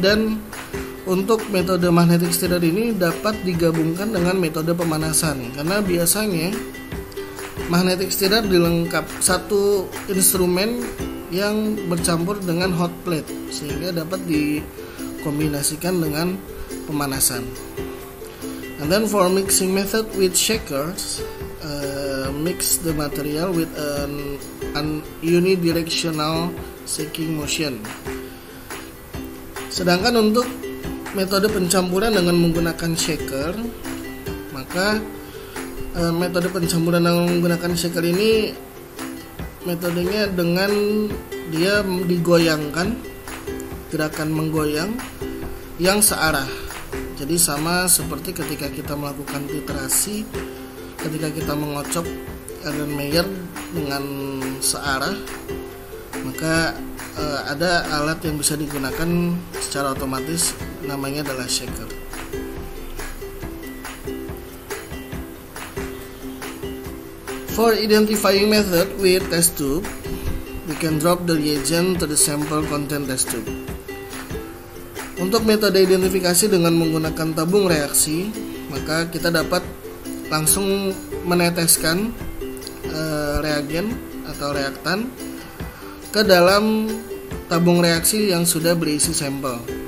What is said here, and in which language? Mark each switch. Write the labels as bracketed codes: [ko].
[id] Dan untuk metode magnetic stirrer ini dapat digabungkan dengan metode pemanasan, karena biasanya magnetic stirrer dilengkap satu instrumen yang bercampur dengan hot plate sehingga dapat dikombinasikan dengan pemanasan. [en] And then for mixing method with shakers, mix the material with an unidirectional shaking motion. [id] Sedangkan untuk metode pencampuran dengan menggunakan shaker, maka metode pencampuran dengan menggunakan shaker ini metodenya dengan dia digoyangkan, gerakan menggoyang yang searah. Jadi sama seperti ketika kita melakukan titrasi, ketika kita mengocok iron mayer dengan searah, maka ada alat yang bisa digunakan secara otomatis, namanya adalah shaker. [en] For identifying method with test tube, we can drop the reagent to the sample content test tube. [id] Untuk metode identifikasi dengan menggunakan tabung reaksi, maka kita dapat langsung meneteskan reagen atau reaktan ke dalam tabung reaksi yang sudah berisi sampel.